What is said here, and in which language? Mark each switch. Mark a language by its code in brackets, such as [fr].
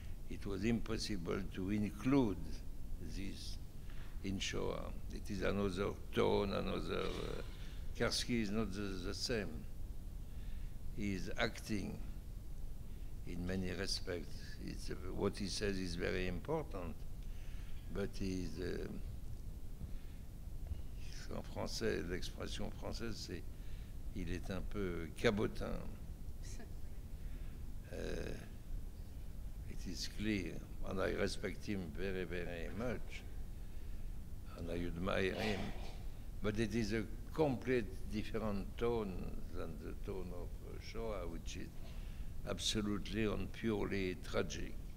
[en] It was impossible to include this in Shoah. It is another tone, another... Karski is not the same. He is acting in many respects. It's, what he says is very important, but he's... [fr] En français, l'expression française, c'est il est un peu cabotin. [en] It is clear, and I respect him very, very much, and I admire him. But it is a complete different tone than the tone of Shoah, which is absolutely and purely tragic.